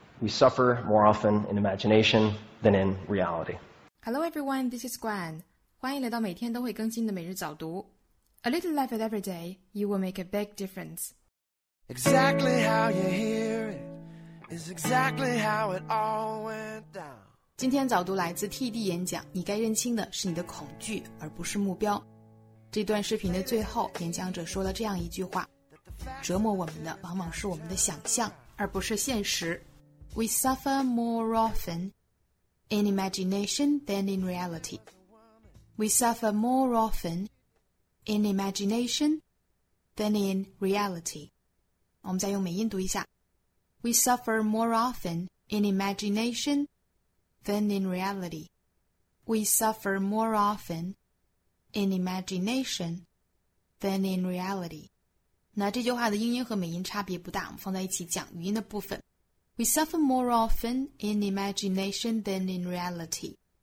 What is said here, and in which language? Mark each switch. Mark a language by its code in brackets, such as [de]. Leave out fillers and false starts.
[en] We suffer more often in imagination than in reality. Hello everyone, this is Gwen. [zh] 欢迎来到每天都会更新的每日早读。 [en] A little laugh at every day, you will make a big difference. Exactly how you hear it is exactly how it all went down. [zh] 今天早读来自 TD 演讲，你该认清的是你的恐惧而不是目标。这段视频的最后，演讲者说了这样一句话，折磨我们的往往是我们的想象而不是现实。 [en] We suffer more often in imagination than in reality. We suffer more often in imagination than in reality. [zh] 我们再用美音读一下。 [en] We suffer more often in imagination than in reality. We suffer more often in imagination than in reality. [zh] 那这句话的英音和美音差别不大，我们放在一起讲语音的部分。 [en] We suffer more often in imagination than in reality.